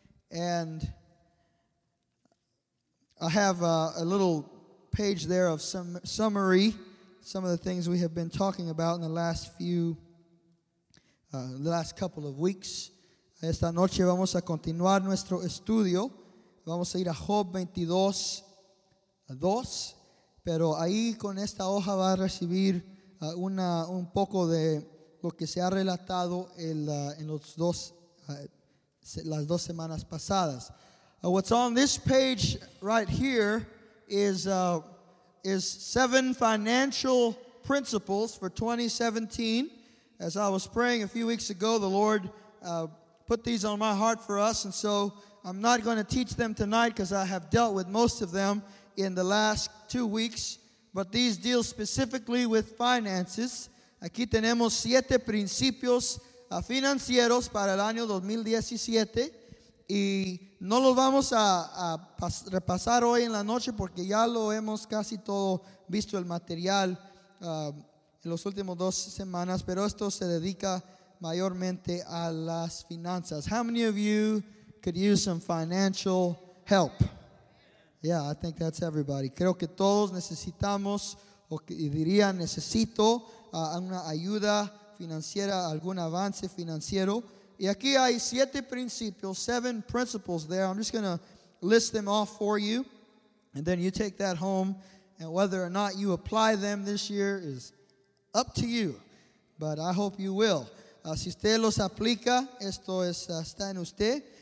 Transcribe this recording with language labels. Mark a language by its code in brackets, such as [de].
[en] And I have a little page there of some summary, some of the things we have been talking about in the last few, the last couple of weeks. [es] Esta noche vamos a continuar nuestro estudio. Vamos a ir a Job 22, dos, pero ahí con esta hoja va a recibir un poco de lo que se ha relatado en los dos las dos semanas pasadas. [en] What's on this page right here is seven financial principles for 2017. As I was praying a few weeks ago, the Lord put these on my heart for us, and so I'm not going to teach them tonight because I have dealt with most of them in the last 2 weeks, but these deal specifically with finances. [es] Aquí tenemos siete principios financieros para el año 2017, y no los vamos a repasar hoy en la noche porque ya lo hemos casi todo visto el material en los últimos dos semanas, pero esto se dedica mayormente a las finanzas. [en] How many of you could use some financial help? Yeah, I think that's everybody. [es] Creo que todos necesitamos, o diría necesito, una ayuda financiera, algún avance financiero. Y aquí hay siete principios, [en] seven principles there. I'm just going to list them off for you, and then you take that home. And whether or not you apply them this year is up to you, but I hope you will. [es] Si usted los aplica, esto es, está en usted.